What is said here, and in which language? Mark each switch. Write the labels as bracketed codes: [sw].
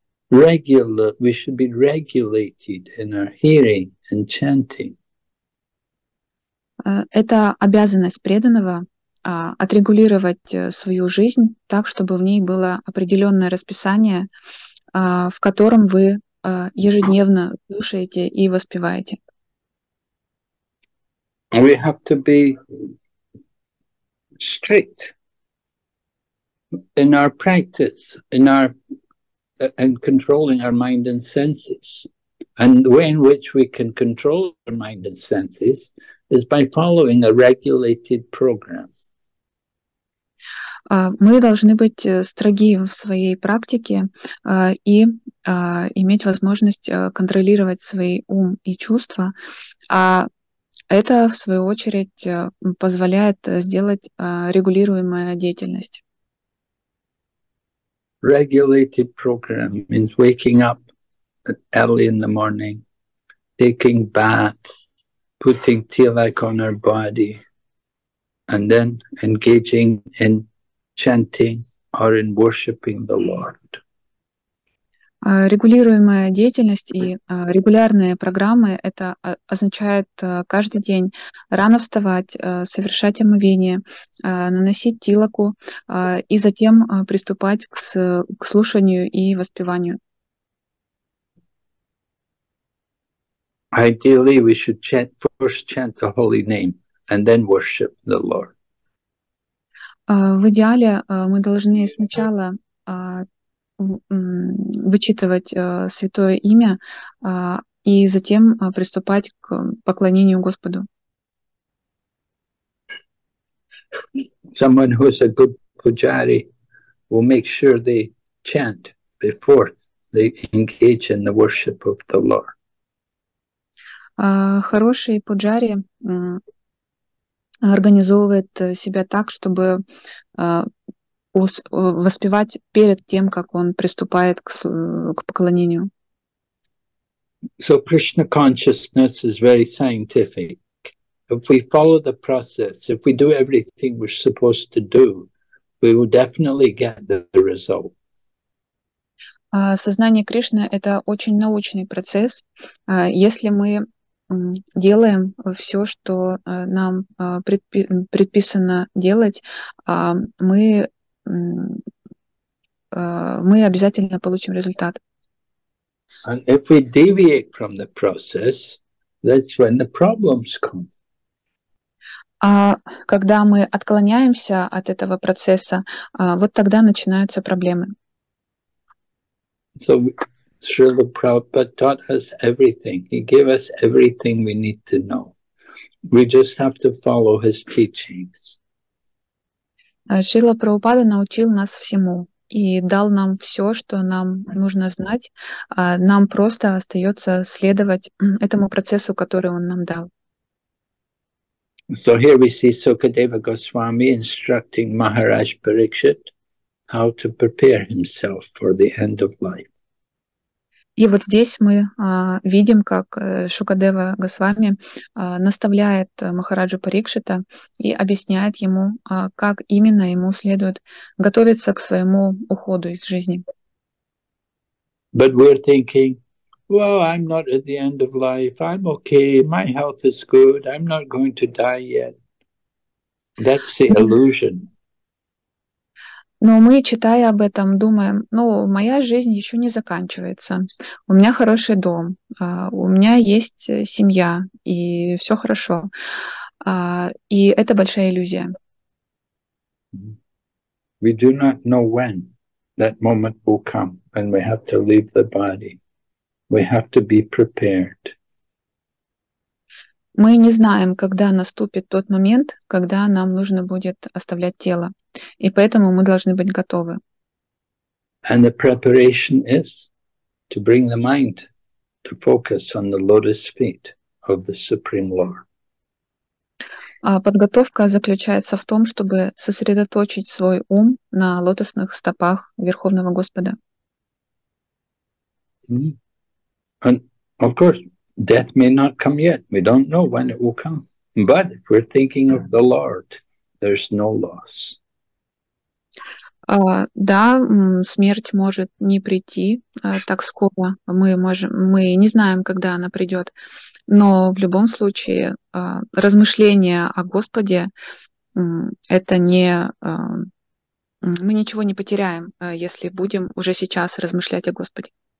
[en] We should be regulated in our hearing and chanting. [ru] Это обязанность преданного отрегулировать свою жизнь так, чтобы в ней было определенное расписание, в котором вы ежедневно слушаете и воспеваете. [en] We have to be strict in our practice, in controlling our mind and senses. And the way in which we can control our mind and senses is by following a regulated program. [ru] Мы должны быть строги в своей практике и иметь возможность контролировать свои ум и чувства. А это, в свою очередь, позволяет сделать регулируемую деятельность. [en] Regulated program means waking up early in the morning, taking bath, putting tilak on our body, and then engaging in chanting or in worshiping the Lord. [ru] Регулируемая деятельность и регулярные программы — это означает каждый день рано вставать, совершать омовение, наносить тилаку и затем приступать к слушанию и воспеванию. [en] Ideally, we should first chant the holy name and then worship the Lord. [ru] В идеале мы должны сначала вычитывать святое имя и затем приступать к поклонению Господу. [en] Someone who is a good pujari will make sure they chant before they engage in the worship of the Lord. [ru] Хороший пуджари организовывает себя так, чтобы воспевать перед тем, как он приступает к поклонению. [en] So Krishna consciousness is very scientific. If we follow the process, if we do everything we're supposed to do, we will definitely get the result. [ru] Сознание Кришны — это очень научный процесс. Если мы делаем все, что нам предписано делать, мы обязательно получим результат. [en] And if we deviate from the process, that's when the problems come. [ru] А когда мы отклоняемся от этого процесса, вот тогда начинаются проблемы. [en] So Srila Prabhupada taught us everything. He gave us everything we need to know. We just have to follow his teachings. [ru] Шрила Прабхупада научил нас всему и дал нам все, что нам нужно знать. Нам просто остается следовать этому процессу, который он нам дал. [en] So here we see Sukadeva Goswami instructing Maharaj Parikshit how to prepare himself for the end of life. [ru] И вот здесь мы видим, как Шукадева Госвами наставляет Махараджу Парикшита и объясняет ему, как именно ему следует готовиться к своему уходу из жизни. [en] But we're thinking, well, I'm not at the end of life. I'm okay. My health is good. I'm not going to die yet. That's the illusion. [ru] Но мы, читая об этом, думаем, ну, моя жизнь еще не заканчивается. У меня хороший дом, у меня есть семья, и все хорошо. И это большая иллюзия. [en] We do not know when that moment will come, when we have to leave the body. We have to be prepared. [ru] Мы не знаем, когда наступит тот момент, когда нам нужно будет оставлять тело. И поэтому мы должны быть готовы. [en] And the preparation is to bring the mind to focus on the lotus feet of the Supreme Lord. [ru] А подготовка заключается в том, чтобы сосредоточить свой ум на лотосных стопах Верховного Господа. [en] And of course, death may not come yet. We don't know when it will come. But if we're thinking of the Lord, there's no loss. [ru] Да, смерть может не прийти так скоро. Мы не знаем, когда она придет. Но в любом случае размышления о Господе это не мы ничего не потеряем, если будем уже сейчас размышлять о Господе.